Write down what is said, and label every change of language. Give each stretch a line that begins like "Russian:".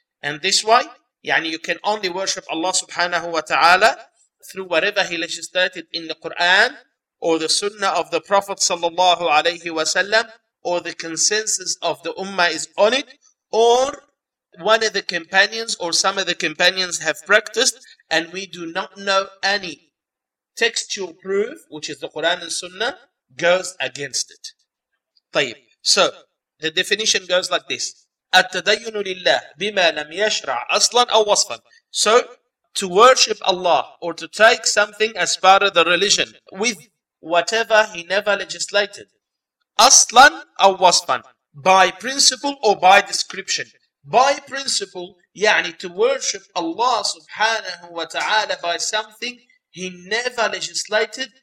English: And this way, يعني you can only worship Allah subhanahu wa ta'ala through whatever he legislated in the Quran or the sunnah of the Prophet sallallahu alayhi wa sallam, or the consensus of the ummah is on it, or one of the companions or some of the companions have practiced, and we do not know any textual proof, which is the Quran and sunnah, goes against it.
Arabic: طيب.
English: So, the definition goes like this.
Arabic: التدين لله بما لم يشرع أصلا أو وصفا.
English: So, to worship Allah or to take something as part of the religion with whatever he never legislated.
Arabic: أصلا أو وصفا.
English: By principle or by description. By principle, يعني to worship Allah سبحانه وتعالى by something he never legislated.